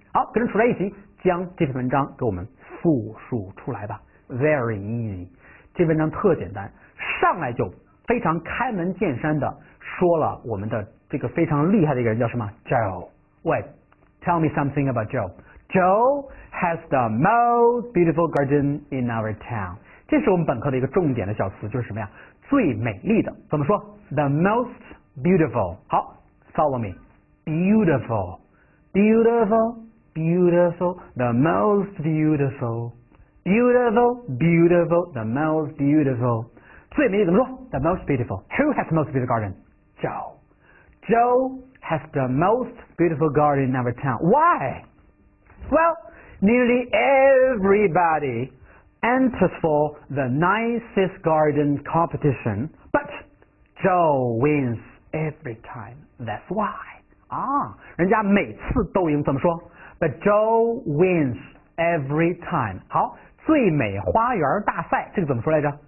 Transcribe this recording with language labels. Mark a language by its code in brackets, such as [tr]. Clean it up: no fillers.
[zh] 好，跟着楚来一起将这篇文章给我们复述出来吧。 [en] Very easy. [zh] 这文章特简单，上来就非常开门见山的说了我们的这个非常厉害的一个人叫什么 ？Joe. [en] Wait, tell me something about Joe. Joe has the most beautiful garden in our town. [zh] 这是我们本科的一个重点的小词，就是什么呀？最美丽的，怎么说？ [en] The most beautiful. 好 ，follow me. Beautiful, beautiful, beautiful. The most beautiful, Beautiful, beautiful, the most beautiful. [zh] 最美怎么说 [en] ？The most beautiful. Who has the most beautiful garden? Joe. Joe has the most beautiful garden in our town. Why? Well, nearly everybody enters for the nicest garden competition, but Joe wins every time. That's why. [zh] 啊，人家每次都赢，怎么说 [en] ？But Joe wins every time. [zh] 好，最美花园大赛这个怎么说来着？